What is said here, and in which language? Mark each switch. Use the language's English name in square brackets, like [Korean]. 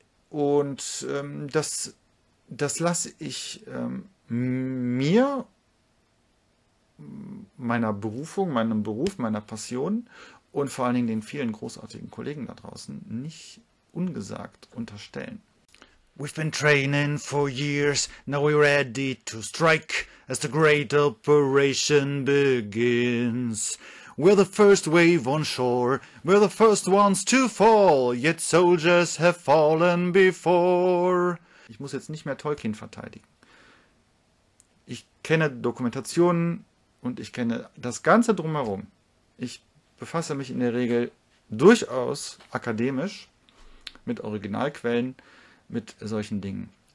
[German] Und das lasse ich mir, meiner Berufung, meinem Beruf, meiner Passion und vor allen Dingen den vielen großartigen Kollegen da draußen nicht ungesagt unterstellen. [English] We've been training for years, now we're ready to strike as the great operation begins. We're the first wave on shore, we're the first ones to fall, yet soldiers have fallen before. [German] Ich muss jetzt nicht mehr Tolkien verteidigen. Ich kenne Dokumentationen und ich kenne das Ganze drumherum. Ich befasse mich in der Regel durchaus akademisch mit Originalquellen, mit solchen Dingen.